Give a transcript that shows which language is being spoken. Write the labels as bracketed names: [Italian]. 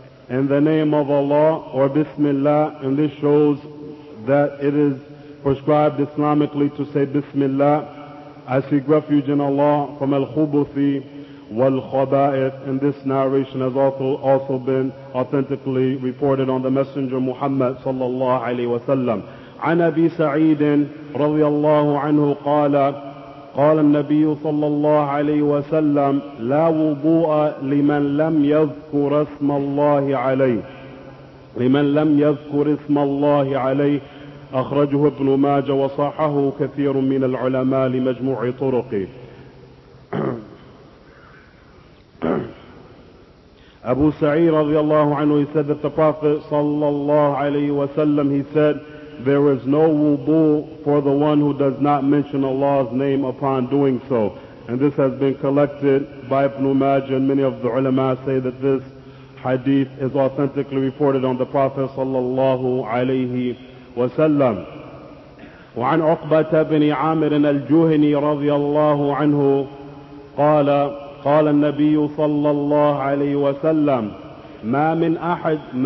[English] In the name of Allah, or Bismillah, and this shows that it is prescribed Islamically to say Bismillah, I seek refuge in Allah from al-khubuthi wal-khaba'ith. And this narration has also been authentically reported on the Messenger Muhammad sallallahu alayhi wa sallam. [Arabic] عن أبي سعيد رضي الله عنه قال قال النبي صلى الله عليه وسلم لا وضوء لمن لم يذكر اسم الله عليه لمن لم يذكر اسم الله عليه. أخرجه ابن ماجة وصححه كثير من العلماء لمجموع طرقه. [English] أبو سعيد رضي الله عنه said that the Prophet صلى الله عليه وسلم he said there is no wudu for the one who does not mention Allah's name upon doing so. And this has been collected by Ibn Majah, and many of the ulama say that this hadith is authentically reported on the Prophet sallallahu alayhi wa sallam. [Arabic] وعن عقبة بن عامر الجهني رضي الله عنه قال قال النبي صلى الله عليه وسلم ما من أحد